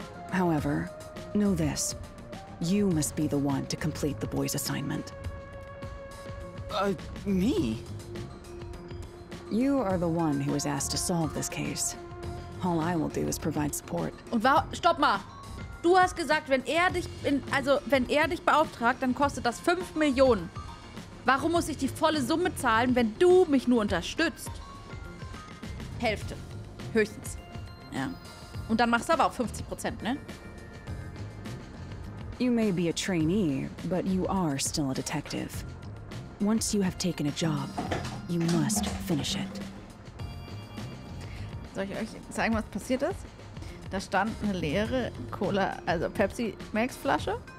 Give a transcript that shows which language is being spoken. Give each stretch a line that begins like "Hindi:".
English: However, know this. You must be the one to complete the boy's assignment. Me? You are the one who was asked to solve this case. All I will do is provide support.
German: Und war, stopp mal. Du hast gesagt, wenn er dich in, also wenn er dich beauftragt, dann kostet das 5 Millionen. Warum muss ich die volle Summe zahlen, wenn du mich nur unterstützt? Hälfte. Höchstens. Ja. Und dann machst du aber auch 50%, ne?
English: You may be a trainee, but you are still a detective. Once you have taken a job, you must finish it.
German: Soll ich euch zeigen, was passiert ist? Da stand eine leere Cola, also Pepsi Max Flasche.